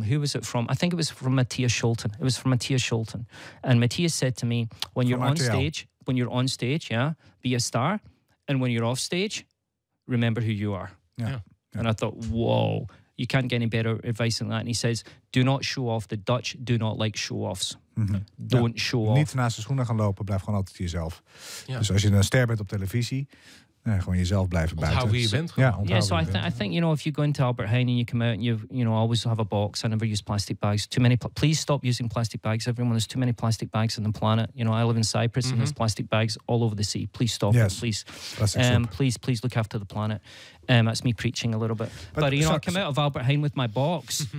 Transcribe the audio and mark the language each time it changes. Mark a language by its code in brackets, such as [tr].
[en] I think it was from Matthias Scholten. It was from Matthias Scholten. And Matthias said to me, when you're on stage, yeah, be a star. And when you're off stage, remember who you are. Yeah. And I thought, whoa. You can't get any better advice than that. And he says, do not show off. The Dutch do not like show-offs. Mm-hmm. Don't show off. [nl] Niet naast de schoenen gaan lopen. Blijf gewoon altijd jezelf. Yeah. Dus als je een ster bent op televisie, gewoon jezelf blijven buiten. Onthoud wie je bent. [en] I think, you know, if you go into Albert Heijn and you come out and you always have a box, I never use plastic bags. Too many. Please stop using plastic bags, everyone. There's too many plastic bags on the planet. You know, I live in Cyprus, mm-hmm, and there's plastic bags all over the sea. Please stop it, please. Please look after the planet. That's me preaching a little bit. But I come out of Albert Heijn with my box,